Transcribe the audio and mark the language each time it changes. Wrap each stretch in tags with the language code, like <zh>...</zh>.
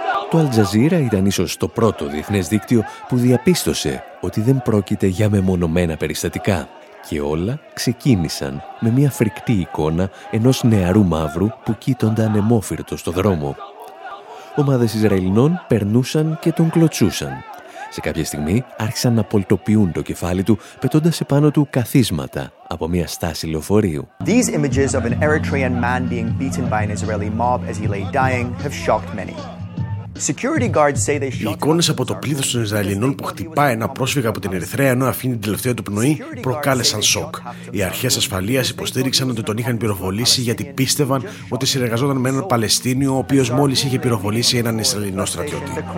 <el>Το Al Jazeera ήταν ίσως το πρώτο διεθνές δίκτυο που διαπίστωσε ότι δεν πρόκειται για μεμονωμένα περιστατικά και όλα ξεκίνησαν με μια φρικτή εικόνα ενός νεαρού μαύρου που κοίτονταν ανεμόφυρτο στο δρόμο. Ομάδες Ισραηλινών περνούσαν και τον κλωτσούσαν. Σε κάποια στιγμή άρχισαν να πολτοποιούν το κεφάλι του, πετώντας επάνω του καθίσματα από μια στάση λεωφορείου.</el> <en>These images of an Eritrean man being beaten by an Israeli mob as he lay dying have shocked many. Security guards say they shot.</en> <el>Οι εικόνες από το πλήθος των Ισραηλινών που χτυπάει ένα πρόσφυγα από την Ερυθρέα ενώ αφήνει την τελευταία του πνοή προκάλεσαν σοκ. Οι αρχές ασφαλείας υποστήριξαν ότι τον είχαν πυροβολήσει γιατί πίστευαν ότι συνεργαζόταν με έναν Παλαιστίνιο ο οποίος μόλις είχε πυροβολήσει έναν Ισραηλινό στρατιώτη.</el>